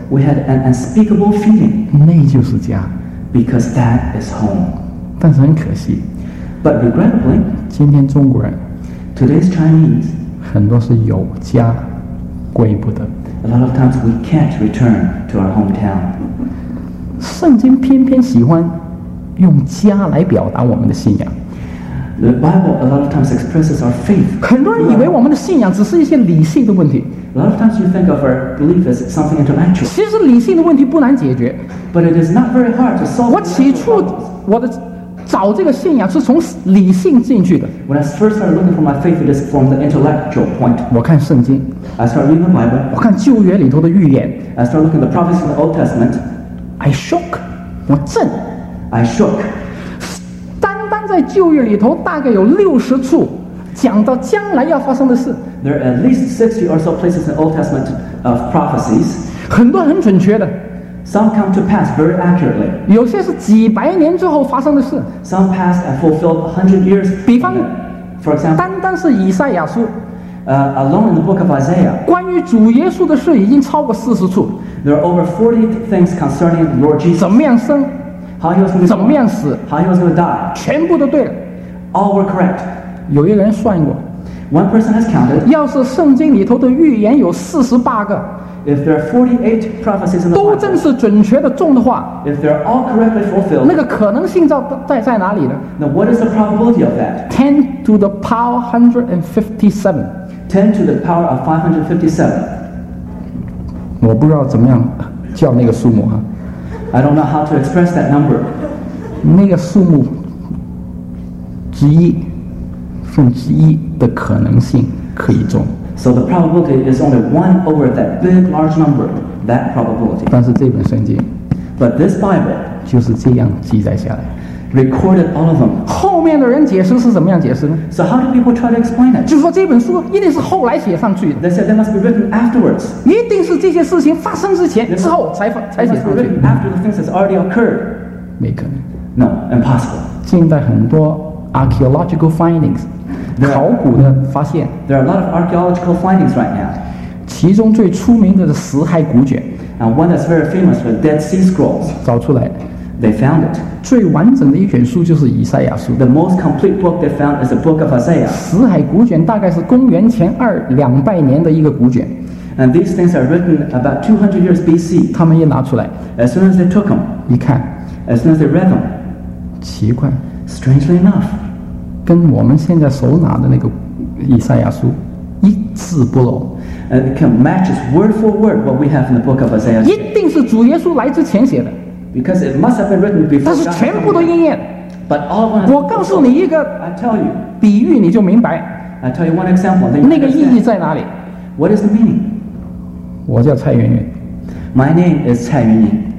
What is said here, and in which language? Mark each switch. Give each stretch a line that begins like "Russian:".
English: We had an unspeakable feeling.
Chinese: 那就是家
English: Because that is home.
Chinese: 但是很可惜
English: But regrettably,
Chinese: 今天中国人
English: Today's Chinese,
Chinese: 很多是有家归不得
English: A lot of times we can't return to our hometown.
Chinese: 圣经偏偏喜欢用家来表达我们的信仰。
English: The Bible a lot of times expresses our faith.
Chinese: 很多人以为我们的信仰只是一些理性的问题。
English: A lot of times you think of our belief as something intellectual.
Chinese: 其实理性的问题不难解决。
English: But it is not very hard to solve.
Chinese: 我起初我的找这个信仰是从理性进去的。
English: When I first started looking for my faith, it is from the intellectual point.
Chinese: 我看圣经。
English: I start reading the Bible.
Chinese: 我看旧约里头的预言。
English: I start looking at the prophecies of the Old Testament. I shook.
Chinese: 我震。
English: I shook.
Chinese: 单单在旧约里头，大概有60处讲到将来要发生的事。
English: There are at least 60 or so places in the Old Testament of prophecies.
Chinese: 很多很准确的。
English: Some come to pass very accurately.
Chinese: 有些是几百年之后发生的事。
English: Some pass and fulfill 100 years.
Chinese: 比方
English: ，for example，
Chinese: 单单是以赛亚书。
English: Alone in the book of Isaiah.
Chinese: 关于主耶稣的事已经超过40处。
English: There are over 40 things concerning the Lord Jesus.
Chinese: 怎么样生？
English: How he was going to
Chinese: 怎么样死
English: How he was going to die.
Chinese: 全部都对了
English: All were correct.
Chinese: 有一个人算过
English: One person has counted
Chinese: 要是圣经里头的预言有48个
English: If there are 48 prophecies in the Bible
Chinese: 都真是准确的中的话
English: If they're all correctly fulfilled
Chinese: 那个可能性在哪里呢
English: Now what is the probability of that? 10 to the power 157 10 to the power of
Chinese: 557 我不知道怎么样叫那个数目啊
English: I don't know how to express that number.
Chinese: 那个数目之一分之一的可能性可以中。
English: So the probability is only one over that big large number, that probability.
Chinese: 但是这本圣经
English: But this Bible
Chinese: 就是这样记载下来
English: recorded all of them.
Chinese: 后面的人解释是怎么样解释呢
English: So how do people try to explain it?
Chinese: 就说这本书一定是后来写上去的
English: They said they must be written afterwards.
Chinese: 一定是这些事情发生之前之后才写上去
English: After the things has already occurred.
Chinese: 没可能
English: No, impossible.
Chinese: 近代很多
English: archaeological findings There,
Chinese: 考古的发现
English: There are a lot of archaeological findings right now.
Chinese: 其中最出名的是死海古卷
English: And one that's very famous for Dead Sea Scrolls.
Chinese: 找出来
English: They found it.
Chinese: 最完整的一卷书就是以赛亚书
English: The most complete book they found is the book of Isaiah.
Chinese: 死海古卷大概是公元前200年的一个古卷
English: And these things are written about 200 years BC.
Chinese: 他们一拿出来
English: As soon as they took them.
Chinese: 一看
English: As soon as they read them.
Chinese: 奇怪
English: Strangely enough.
Chinese: 跟我们现在手拿的那个以赛亚书一字不漏
English: and it can match word for word what we have in the book of Isaiah
Chinese: 一定是主耶稣来之前写的
English: because it must have been written before
Chinese: 但是全部都应验
English: but all of them
Chinese: 我告诉你一个
English: I tell you
Chinese: 比喻你就明白
English: I tell you one example you
Chinese: 那个意义在哪里
English: what is the meaning
Chinese: 我叫蔡元元
English: my name is 蔡元元